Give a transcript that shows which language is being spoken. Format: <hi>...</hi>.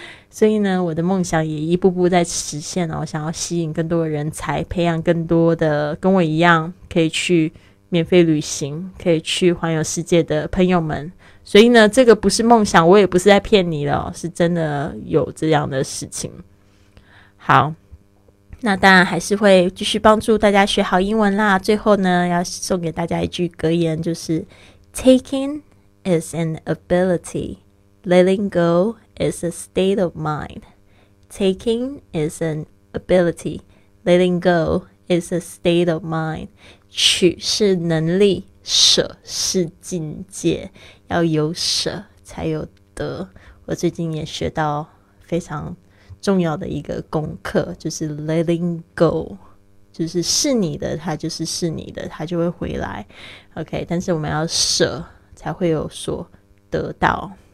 <zh>所以呢我的梦想也一步步在实现哦，想要吸引更多的人才，培养更多的跟我一样可以去免费旅行，可以去环游世界的朋友们。所以呢这个不是梦想，我也不是在骗你了，是真的有这样的事情。好，那当然还是会继续帮助大家学好英文啦。最后呢要送给大家一句格言，就是</zh> <en>Taking is an ability, letting go is a state of mind. Taking is an ability, letting go is a state of mind.</en> <zh>取是能力，舍是境界，要有舍才有得。我最近也学到非常重要的一个功课，就是 letting go， 就是你的它就是你的，它就会回来 OK， 但是我们要舍才会有所得到。</zh>